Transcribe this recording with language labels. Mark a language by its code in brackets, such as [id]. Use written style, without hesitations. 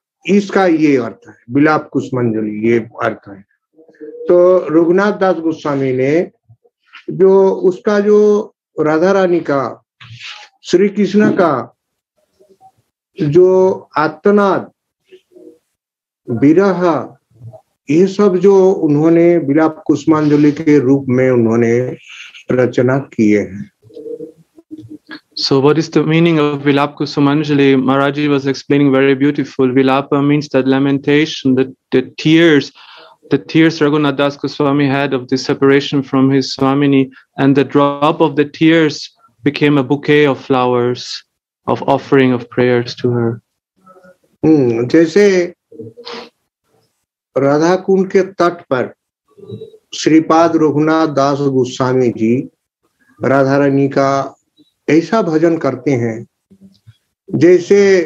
[hi] इसका ये अर्थ है विलाप कुसुमांजलि ये अर्थ है तो रघुनाथ दास गोस्वामी ने जो उसका जो राधा रानी का श्री कृष्ण का जो आत्तनाद विरह ये सब जो उन्होंने विलाप कुसुमांजलि के रूप में उन्होंने रचना किए हैं [en] So what is the meaning of Vilap Kusumanjali? Maharaji was explaining very beautiful. Vilapa means that lamentation, the tears Raghunath Das Goswami had of the separation from his Swamini, and the drop of the tears became a bouquet of flowers, of offering of prayers to her. [hi] Jaise Radha Kund ke tat par Sripad Raghunath Das Goswami ji Radharani ka ऐसा भजन करते हैं जैसे